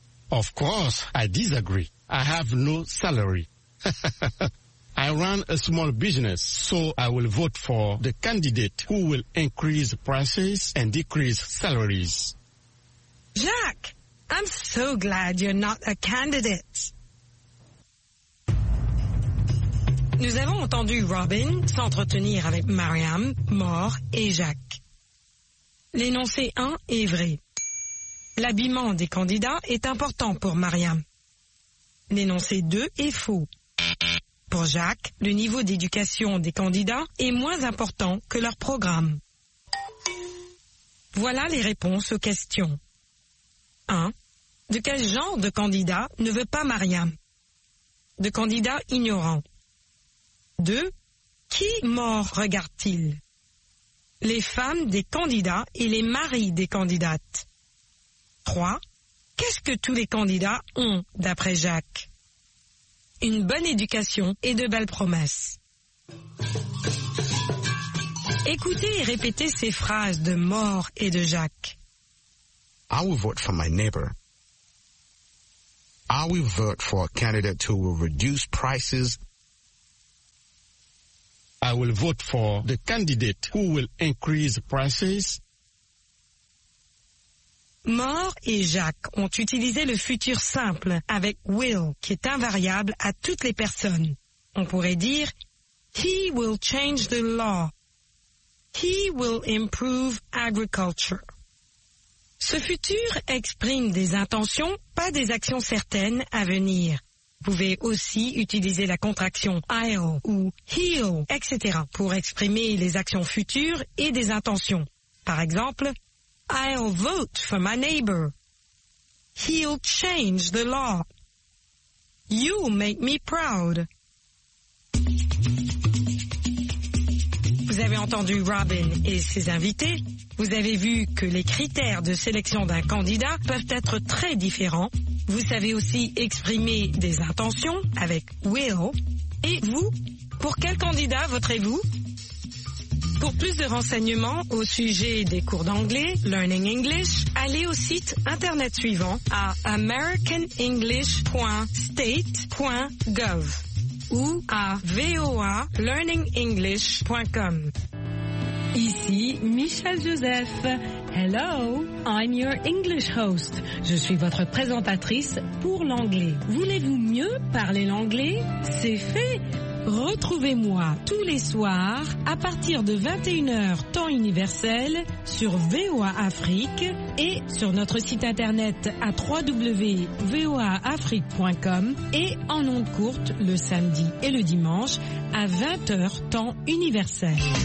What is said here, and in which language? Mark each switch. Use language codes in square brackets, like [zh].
[en] Of course, I disagree. I have no salary. I run a small business, so I will vote for the candidate who will increase prices and decrease salaries. Jacques, I'm so glad you're not a candidate. [fr] Nous avons entendu Robin s'entretenir avec Mariam, Maur et Jacques. L'énoncé 1 est vrai. L'habillement des candidats est important pour Mariam. L'énoncé 2 est faux. Pour Jacques, le niveau d'éducation des candidats est moins important que leur programme. Voilà les réponses aux questions. 1. De quel genre de candidat ne veut pas Mariam? De candidat ignorant. 2. Qui mort regarde-t-il? Les femmes des candidats et les maris des candidates. 3. Qu'est-ce que tous les candidats ont, d'après Jacques? Une bonne éducation et de belles promesses. Écoutez et répétez ces phrases de mort et de Jacques. [en] I will vote for my neighbor. I will vote for a candidate who will reduce prices. I will vote for the candidate who will increase prices. [fr] Maur et Jacques ont utilisé le futur simple avec will, qui est invariable à toutes les personnes. On pourrait dire, [en] he will change the law. He will improve agriculture. [fr] Ce futur exprime des intentions, pas des actions certaines à venir. Vous pouvez aussi utiliser la contraction I'll ou he'll, etc. pour exprimer les actions futures et des intentions. Par exemple, [en] I'll vote for my neighbor. He'll change the law. You'll make me proud. [fr] Vous avez entendu Robin et ses invités. Vous avez vu que les critères de sélection d'un candidat peuvent être très différents. Vous savez aussi exprimer des intentions avec will. Et vous, pour quel candidat voterez-vous? Pour plus de renseignements au sujet des cours d'anglais, Learning English, allez au site internet suivant à americanenglish.state.gov ou à voalearningenglish.com. Ici Michel Joseph. [en] Hello, I'm your English host. [fr] Je suis votre présentatrice pour l'anglais. Voulez-vous mieux parler l'anglais? C'est fait! Retrouvez-moi tous les soirs à partir de 21h temps universel sur VOA Afrique et sur notre site internet à www.voaafrique.com et en ondes courtes le samedi et le dimanche à 20h temps universel.